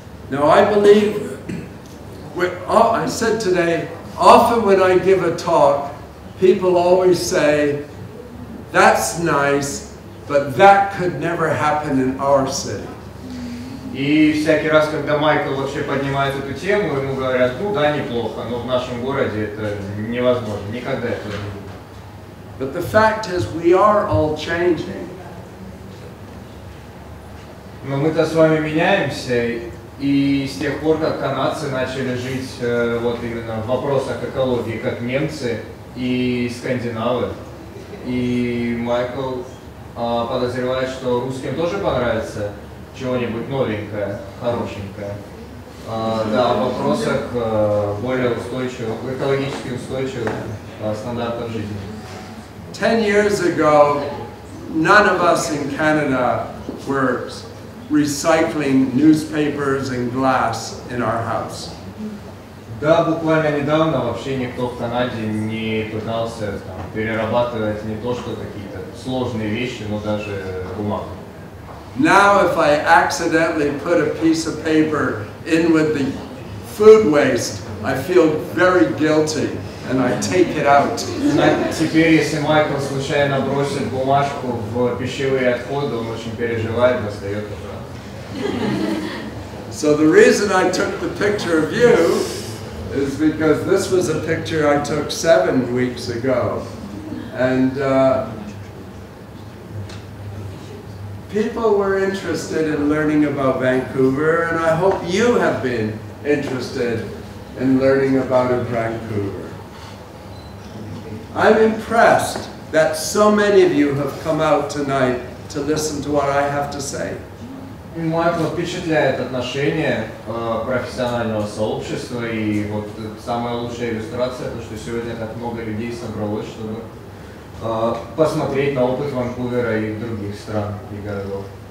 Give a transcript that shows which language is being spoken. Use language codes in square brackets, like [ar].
[en] Now I believe, I said today, often when I give a talk, people always say, that's nice, but that could never happen in our city. [ru] И всякий раз, когда Майкл вообще поднимает эту тему, ему говорят, ну да, неплохо, но в нашем городе это невозможно, никогда этого не будет. [en] But the fact is, we are all changing. [ru] Но мы-то с вами меняемся, и с тех пор, как канадцы начали жить вот именно в вопросах экологии, как немцы и скандинавы, и Майкл подозревает, что русским тоже понравится чего-нибудь новенькое, хорошенькое. Да, в вопросах более устойчивых, экологически устойчивых стандартов жизни. [en] 10 years ago, none of us in Canada were recycling newspapers and glass in our house. [ru] Да, буквально недавно вообще никто в Канаде не пытался там, перерабатывать не то, что какие-то сложные вещи, но даже бумагу. [en] Now if I accidentally put a piece of paper in with the food waste, I feel very guilty and I take it out. [ru] Теперь, если Майкл случайно бросит бумажку в пищевые отходы, он очень переживает, достает это. [en] So the reason I took the picture of you is because this was a picture I took 7 weeks ago. And people were interested in learning about Vancouver, and I hope you have been interested in learning about Vancouver. I'm impressed that so many of you have come out tonight to listen to what I have to say. [ru] Майкл впечатляет отношение профессионального сообщества, и вот самая лучшая иллюстрация, то, что сегодня так много людей собралось, чтобы посмотреть на опыт Ванкувера и других стран и городов.